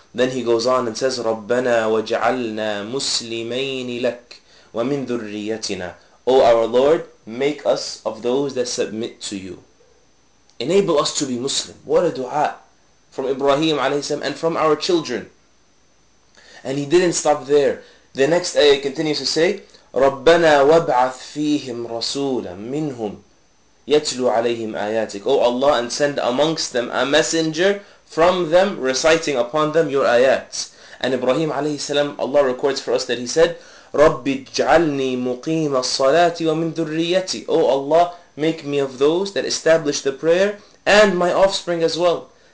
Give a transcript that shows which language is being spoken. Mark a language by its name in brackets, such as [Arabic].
[English] Then he goes on and says, [Arabic] "Rabbana waj'alna muslimayni lak wa min dhurriyyatina." [English] Oh our Lord, make us of those that submit to you. Enable us to be Muslim. What a dua from Ibrahim alayhi salam and from our children. And he didn't stop there. The next ayah continues to say, [Arabic] رَبَّنَا وَابْعَثْ فِيهِمْ رَسُولًا مِّنْهُمْ يَتْلُوا عَلَيْهِمْ آيَاتِكَ. [English] Oh Allah, and send amongst them a messenger from them, reciting upon them your ayats. And Ibrahim alayhi salam, Allah records for us that he said, [Arabic] رَبِّ اجْعَلْنِي مُقِيمَ الصَّلَاةِ وَمِنْ ذُرِّيَّتِي. [English] Oh Allah, make me of those that establish the prayer and my offspring as well.